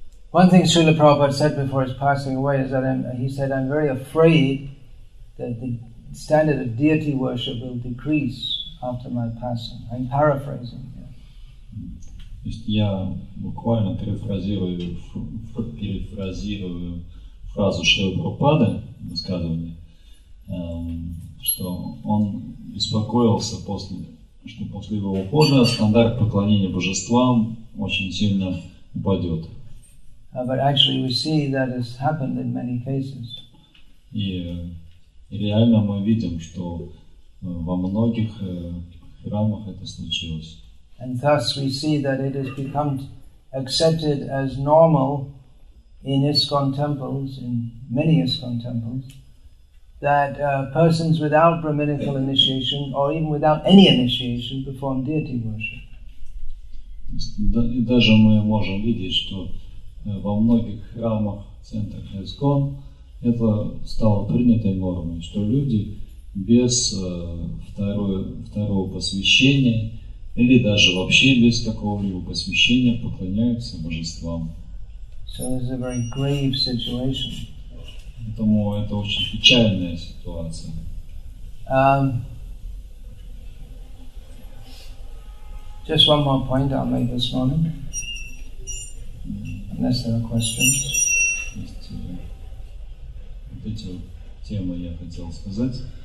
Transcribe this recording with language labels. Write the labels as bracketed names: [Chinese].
[English] One thing Srila Prabhupada said before his passing away is that I'm very afraid that the standard of deity worship will decrease after my passing. I'm paraphrasing. [Russian] То есть я буквально перефразирую фразу Шрилы Прабхупады, высказывание, что он беспокоился, после его ухода стандарт поклонения божествам очень сильно упадет. [English] But actually we see that has happened in many cases. [Russian] И реально мы видим, что во многих храмах это случилось. [English] And thus we see that it has become accepted as normal in ISKCON temples, in many ISKCON temples, that persons without brahminical initiation or even without any initiation perform deity worship. [Russian] И даже мы можем видеть, что во многих храмах, центрах ISKCON это стало принятой нормой, что люди без второго посвящения или даже вообще без какого-либо посвящения поклоняются божествам. [English] So it's a very grave situation. [Russian] Поэтому это очень печальная ситуация. [English] Just one more point I'll make this morning. Unless there are questions. [Russian] Есть, вот эти темы я хотел сказать.